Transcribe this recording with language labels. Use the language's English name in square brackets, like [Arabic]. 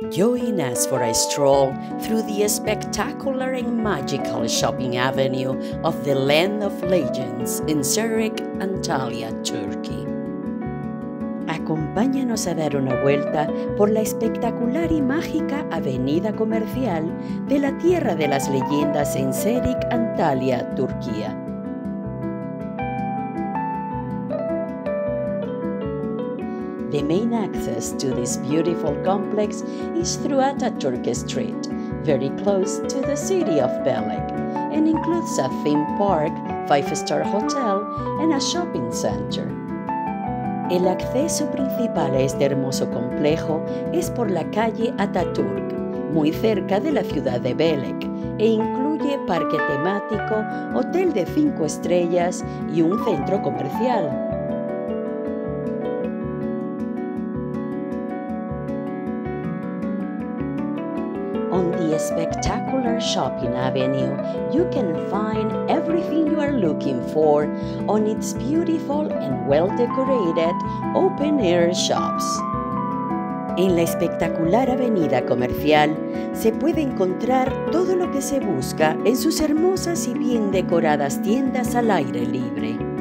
[English] Join us for a stroll through the spectacular and magical shopping avenue of the land of legends in Serik, Antalya, Turkey. [Spanish] Acompáñanos a dar una vuelta por la espectacular y mágica Avenida Comercial de la tierra de las leyendas en Serik, Antalya, Turquía. [English] The main access to this beautiful complex is through Atatürk Street, very close to the city of Belek, and includes a theme park, five-star hotel, and a shopping center. [Spanish] El acceso principal a este hermoso complejo es por la calle Atatürk, muy cerca de la ciudad de Belek, e incluye parque temático, hotel de 5 estrellas y un centro comercial. [English] Spectacular shopping avenue, you can find everything you are looking for on its beautiful and well-decorated open-air shops. [Spanish] En la espectacular avenida comercial se puede encontrar todo lo que se busca en sus hermosas y bien decoradas tiendas al aire libre.